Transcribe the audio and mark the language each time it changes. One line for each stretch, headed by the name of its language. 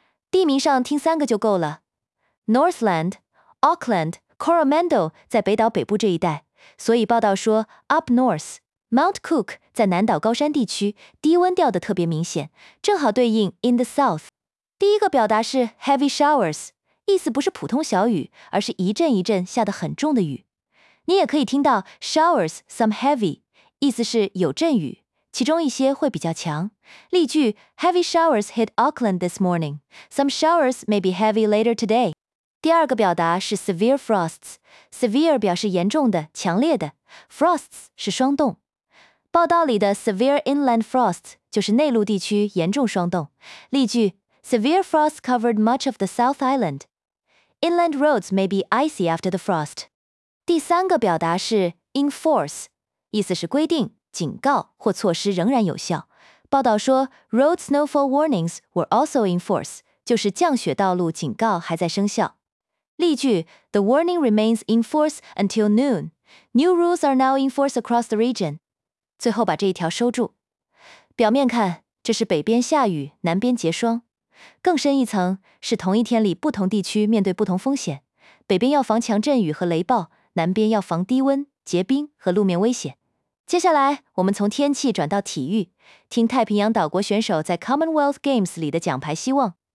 Chinese: 地名上听三个就够了， Northland、 Auckland、 Coromandel 在北岛北部这一带，所以报道说 Up North、 Mount Cook 在南岛高山地区，低温调的特别明显，正好对应 In the South。第一个表达是 Heavy Showers，意思不是普通小雨，而是一阵一阵下得很重的雨。你也可以听到 showers some heavy，意思是有阵雨，其中一些会比较强。
English: 例句： Heavy showers hit Auckland this morning. Some showers may be heavy later today.
Chinese: 第二个表达是 severe frosts. Severe 表示严重的、强烈的， frosts 是霜冻。报道里的 severe inland frosts 就是内陆地区严重霜冻。
English: 例句： Severe frost covered much of the South Island. Inland roads may be icy after the frost.
Chinese: 第三个表达是 enforce， 意思是规定、警告或措施仍然有效。报道说 road snowfall warnings were also in force，就是降雪道路警告还在生效。
English: 例句： The warning remains in force until noon. New rules are now in force across the region.
Chinese: 最后把这一条收住。表面看，这是北边下雨，南边结霜。更深一层是同一天里不同地区面对不同风险，北边要防强阵雨和雷暴，南边要防低温、结冰和路面危险。接下来我们从天气转到体育，听太平洋岛国选手在 Commonwealth Games 里的奖牌希望。